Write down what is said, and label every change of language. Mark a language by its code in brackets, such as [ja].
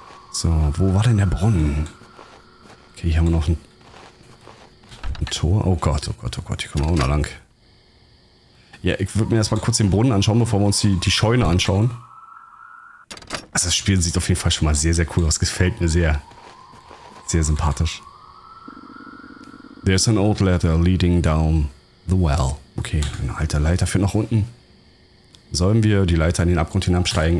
[de] So, wo war denn der Brunnen? Okay, hier haben wir noch ein Tor. Oh Gott, oh Gott, oh Gott, hier kommen wir auch noch lang. Ja, ich würde mir erstmal kurz den Brunnen anschauen, bevor wir uns die Scheune anschauen. Also das Spiel sieht auf jeden Fall schon mal sehr, sehr cool aus. Gefällt mir sehr. Sehr sympathisch. [en] There's an old ladder leading down the well. [de] Okay, eine alte Leiter führt nach unten. Sollen wir die Leiter in den Abgrund hinabsteigen?